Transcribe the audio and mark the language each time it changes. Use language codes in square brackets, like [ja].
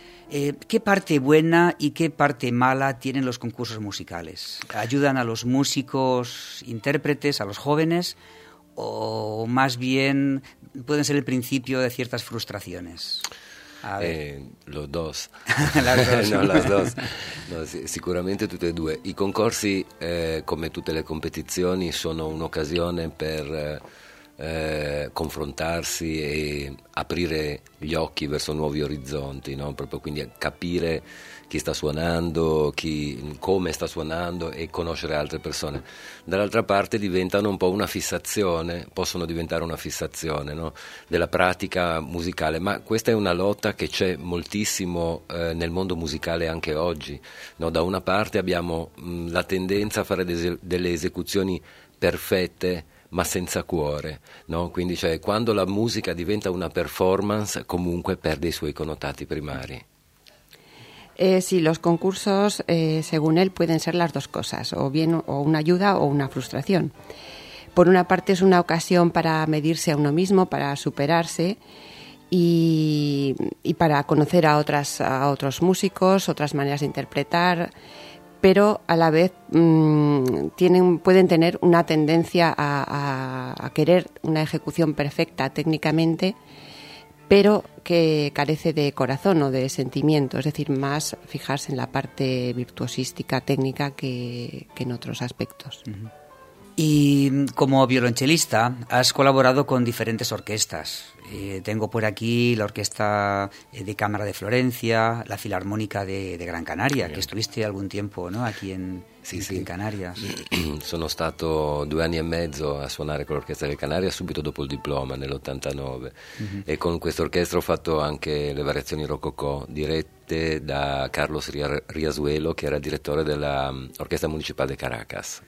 [es] ¿Qué parte buena y qué parte mala tienen los concursos musicales? ¿Ayudan a los músicos, intérpretes, a los jóvenes, o más bien pueden ser el principio de ciertas frustraciones? Los dos. las dos. [it] No, sì, sicuramente tutte e due. I concorsi, come tutte le competizioni, sono un'occasione per confrontarsi e aprire gli occhi verso nuovi orizzonti, no? Proprio quindi capire chi sta suonando, chi, come sta suonando e conoscere altre persone. Dall'altra parte diventano un po' una fissazione, possono diventare una fissazione, no? Della pratica musicale, ma questa è una lotta che c'è moltissimo nel mondo musicale anche oggi, no? Da una parte abbiamo la tendenza a fare delle esecuzioni perfette ma senza cuore, no? Quindi cioè, quando la musica diventa una performance comunque perde i suoi connotati primari. [es] Sí, los concursos, según él, pueden ser las dos cosas, o bien o una ayuda o una frustración. Por una parte es una ocasión para medirse a uno mismo, para superarse y para conocer a otros músicos, otras maneras de interpretar, pero a la vez pueden tener una tendencia a querer una ejecución perfecta técnicamente, pero que carece de corazón o de sentimiento, es decir, más fijarse en la parte virtuosística, técnica, que en otros aspectos. Y como violonchelista, has colaborado con diferentes orquestas. Tengo por aquí la Orquesta de Cámara de Florencia, la Filarmónica de Gran Canaria, bien, que estuviste algún tiempo, ¿no?, aquí en... [it] Sì, sì. In Canarias. Sono stato 2 anni e mezzo a suonare con l'Orchestra del Canaria subito dopo il diploma, nell'89. Mm-hmm. E con questa orchestra ho fatto anche le variazioni rococò dirette da Carlos Riazuelo, che era direttore dell'Orchestra Municipale di Caracas.